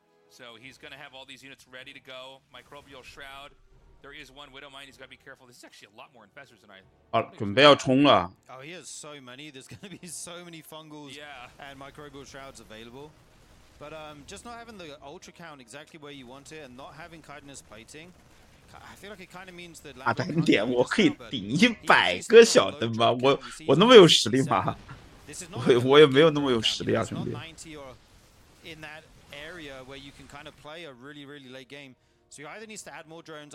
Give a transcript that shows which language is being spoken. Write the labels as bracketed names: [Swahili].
[English] So he's going to have all these units ready to go. Microbial shroud. There is one Widow Mine. He's got to be careful. This is actually a lot more investors than I. [Chinese] 准备要冲了. [English] Oh, he has so many. There's going to be so many fungals. Yeah. And microbial shrouds available. But just not having the ultra count exactly where you want it, and not having Chitinous plating, I feel like it kind of means that. [Chinese] 大胆点，我可以顶一百个小灯吗？我那么有实力吗？我也没有那么有实力啊，兄弟。 [English] In that area where you can kind of play a really really late game, so he either needs to add more drones.